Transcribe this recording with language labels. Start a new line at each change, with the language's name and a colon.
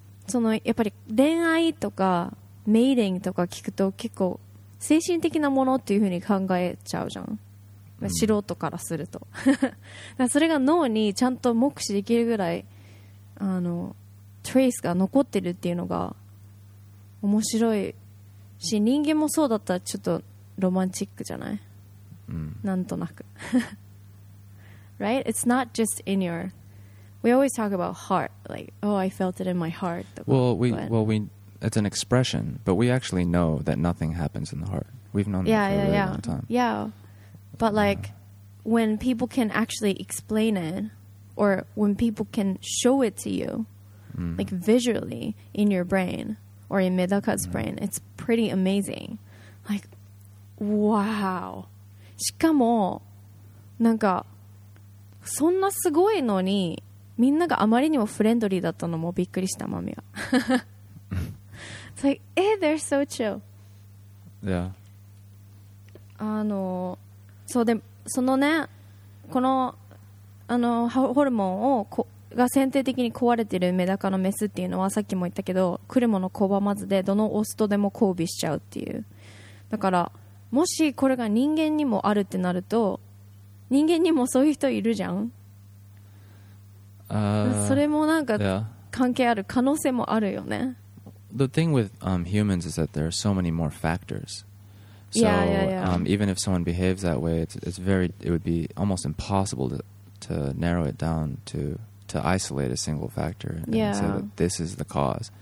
Japanese: そのやっぱり恋愛とかメイディングとか聞くと結構精神的なものっていう風に考えちゃうじゃん、うん、素人からするとだそれが脳にちゃんと目視できるぐらいあのトレースが残ってるっていうのが面白いし、人間もそうだったらちょっとロマンチックじゃない、うん、なんとなく
English: Right? It's not just in your We always talk about heart Like, oh, I felt it in my heart Well, weIt's an expression, but we actually know that nothing happens in the heart. We've known that for a really long time. Yeah, but like when people can actually explain it, or when people can show it to you, like visually in your brain or in Medaka's brain, it's pretty amazing. Like, wow.
Japanese: しかもなんかそんなすごいのにみんながあまりにもフレンドリーだったのもびっくりした、マミは。
English: It's like, eh, they're so chill. Yeah.
Japanese: あの、そうで、そのね、この、あの、ホルモンを、が先天的に壊れてるメダカのメスっていうのは、さっきも言ったけど、来るもの拒まずで、どのオスとでも交尾しちゃうっていう。だから、もしこれが人間にもあるってなると、人間にもそういう人いるじゃん。それもなんか、関係ある可能性もあるよね。
English: The thing with humans is that there are so many more factors. So even if someone behaves that way, it would be almost impossible to narrow it down to to isolate a single factor and say that this is the cause.